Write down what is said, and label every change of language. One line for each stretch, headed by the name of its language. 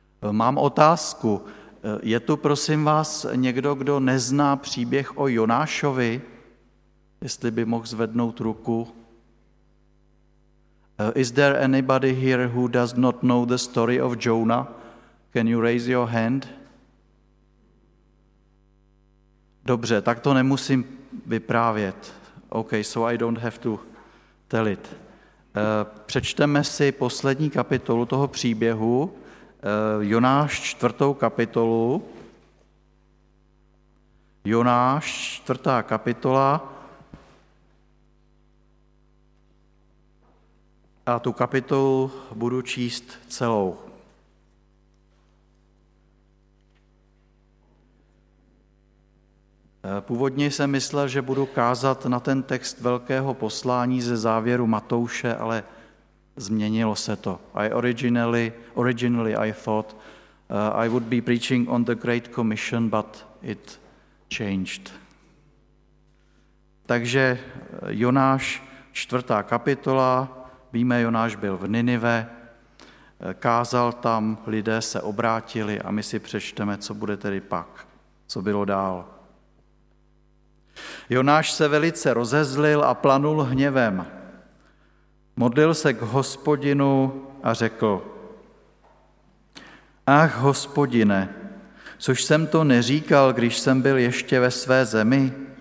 Czech: Mám otázku. Je tu, prosím vás, někdo, kdo nezná příběh o Jonášovi? Jestli by mohl zvednout ruku.
English: Is there anybody here who does not know the story of Jonah? Can you raise your hand?
Czech: Dobře, tak to nemusím vyprávět.
English: OK, so I don't have to tell it.
Czech: Přečteme si poslední kapitolu toho příběhu, Jonáš 4. kapitolu. Jonáš 4. kapitola. A tu kapitolu budu číst celou. Původně jsem myslel, že budu kázat na ten text velkého poslání ze závěru Matouše, ale změnilo se to.
English: I originally thought I would be preaching on the Great Commission, but it changed.
Czech: Takže Jonáš 4. kapitola, víme, Jonáš byl v Ninive, kázal tam, lidé se obrátili a my si přečteme, co bude tedy pak, co bylo dál. Jonáš se velice rozezlil a planul hněvem. Modlil se k Hospodinu a řekl: Ach, Hospodine, což jsem to neříkal, když jsem byl ještě ve své zemi?